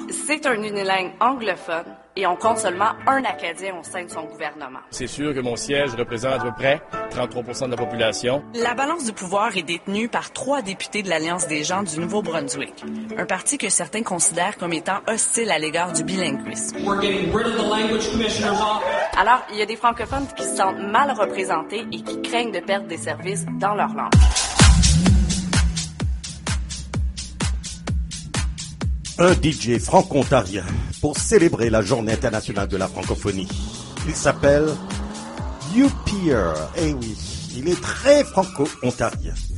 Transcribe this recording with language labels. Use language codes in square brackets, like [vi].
[fr] C'est un unilingue anglophone et on compte seulement un Acadien au sein de son gouvernement. C'est sûr que mon siège représente à peu près 33% de la population. La balance du pouvoir est détenue par 3 députés de l'Alliance des gens du Nouveau-Brunswick, un parti que certains considèrent comme étant hostile à l'égard du bilinguisme. [en] We're getting rid of the language commissioner's office. [fr] Alors, il y a des francophones qui se sentent mal représentés et qui craignent de perdre des services dans leur langue. Un DJ franco-ontarien pour célébrer la Journée internationale de la francophonie. Il s'appelle Youpier. Eh oui, il est très franco-ontarien.